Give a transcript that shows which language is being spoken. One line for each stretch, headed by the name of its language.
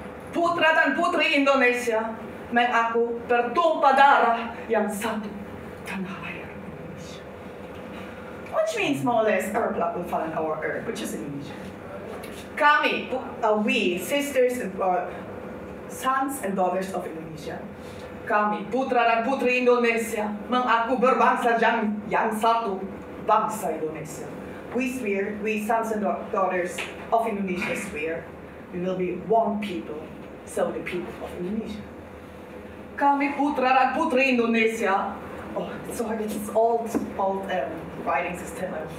Indonesian: Putra dan putri Indonesia, men aku bertumpah darah yang satu tanah air Indonesia.
English: Which means more or less, our blood will fall on our earth, which is Indonesia. Kami, we, sisters and sons and daughters of Indonesia.
Indonesian: Kami, putra dan putri Indonesia, men aku berbangsa yang satu bangsa Indonesia.
English: We swear, we sons and daughters of Indonesia swear, we will be one people. So the people of Indonesia.
Indonesian: Kami putra dan putri Indonesia.
English: Oh, sorry, this is old writing system.